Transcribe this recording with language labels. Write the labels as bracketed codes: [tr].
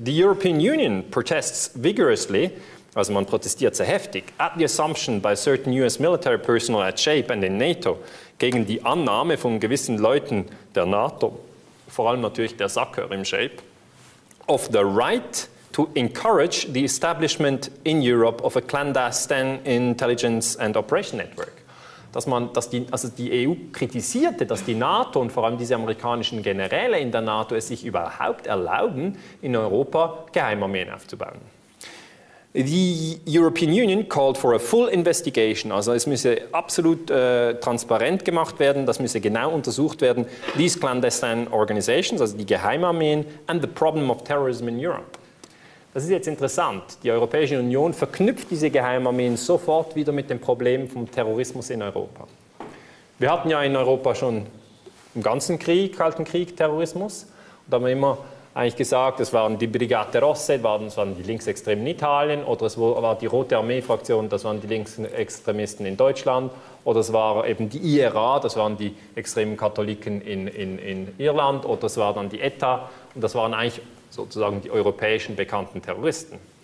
[en] The European Union protests vigorously, [de] also man protestiert sehr heftig, [en] at the assumption by certain US military personnel at SHAPE and in NATO, [de] gegen die Annahme von gewissen Leuten der NATO, vor allem natürlich der SACEUR im SHAPE, [en] of the right to encourage the establishment in Europe of a clandestine intelligence and operation network. [de] Die EU kritisierte, dass die NATO und vor allem diese amerikanischen Generäle in der NATO es sich überhaupt erlauben, in Europa Geheimarmeen aufzubauen. [en] The European Union called for a full investigation. [de] Also es müsse absolut transparent gemacht werden, das müsse genau untersucht werden. [en] These clandestine organizations, [de] also die Geheimarmeen, [en] and the problem of terrorism in Europe. [de] Das ist jetzt interessant. Die Europäische Union verknüpft diese Geheimarmeen sofort wieder mit dem Problem vom Terrorismus in Europa. Wir hatten ja in Europa schon im ganzen Krieg, Kalten Krieg, Terrorismus. Und da haben wir immer eigentlich gesagt, es waren die Brigate Rosse, das waren die Linksextremen in Italien, oder es war die Rote Armee-Fraktion, das waren die Linksextremisten in Deutschland, oder es war eben die IRA, das waren die extremen Katholiken in Irland, oder es war dann die ETA, und das waren eigentlich sozusagen die europäischen bekannten Terroristen.